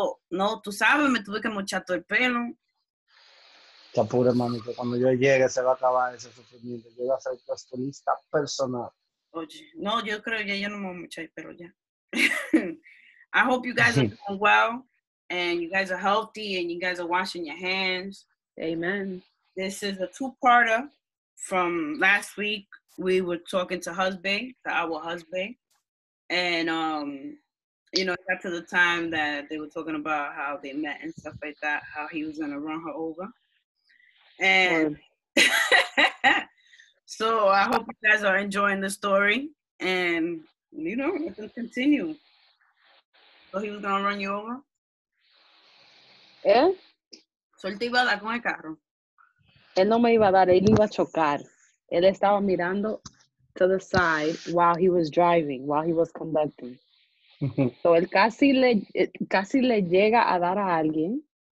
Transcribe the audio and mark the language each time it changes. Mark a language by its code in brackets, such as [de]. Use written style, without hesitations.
[es] No, tú sabes, me tuve que mochar todo el pelo. Está pura, mami, que cuando yo llegue se va a acabar ese sufrimiento. Yo voy a ser tu lista personal. Oye, no, yo creo que ya no me voy a mochar, pero ya. [en] I hope you guys are doing well, and you guys are healthy, and you guys are washing your hands. Amen. This is a two-parter from last week. We were talking to Husbae, to our Husbae, and, you know, after the time that they were talking about how they met and stuff like that, how he was going to run her over. And... So I hope you guys are enjoying the story, and you know, let them continue. So he was gonna run you over. ¿Eh? [es] So él te iba a dar con el carro. Él no me iba a dar. Él iba a chocar. Él estaba mirando [en] to the side while he was driving, while he was conducting. [es] So él casi le llega a dar a alguien.